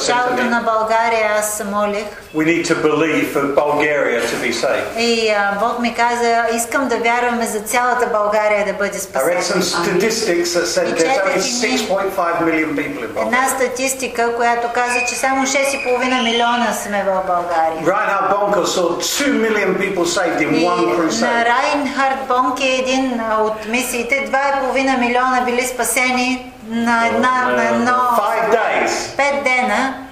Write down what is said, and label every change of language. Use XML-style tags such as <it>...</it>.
<en>said to me.</en> <bg>На България аз се молих.</bg> <en>We need to believe for Bulgaria to be saved.</en> <bg>И Бог ми каза, искам да вярваме за цялата България да бъде спасена.</bg> <en>I read some statistics that said there's only 6.5 million people in Bulgaria.</en> <bg>Една статистика, която каза, че само 6,5 милиона сме в България.</bg> <en>Reinhard Bonnke saw 2 million people saved in one crusade.</en> <bg>На Reinhard Bonnke един от мисиите 2,5 милиона били спасени на една на едно 5 дена.</bg>